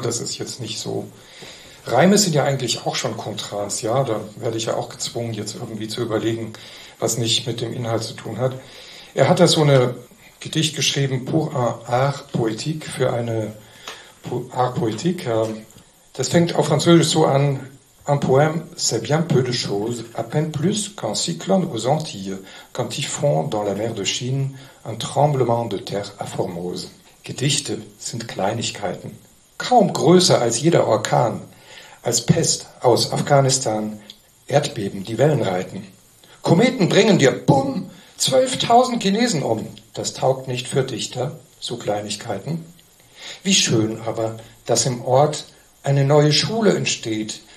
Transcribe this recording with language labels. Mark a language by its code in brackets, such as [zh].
[de] Das ist jetzt nicht so. Reime sind ja eigentlich auch schon Kontrast, ja. Da werde ich ja auch gezwungen, jetzt irgendwie zu überlegen, was nicht mit dem Inhalt zu tun hat. Er hat da so eine Gedicht geschrieben, Pour un art poétique, für eine art poétique. Das fängt auf Französisch so an. [fr] Un poème, c'est bien peu de choses, à peine plus qu'un cyclone aux Antilles, qu'un typhon dans la mer de Chine, un tremblement de terre à Formose. [de] Gedichte sind Kleinigkeiten, kaum größer als jeder Orkan, als Pest aus Afghanistan, Erdbeben, die Wellen reiten. Kometen bringen dir, bumm, 12.000 Chinesen um. Das taugt nicht für Dichter, so Kleinigkeiten. Wie schön aber, dass im Ort eine neue Schule entsteht.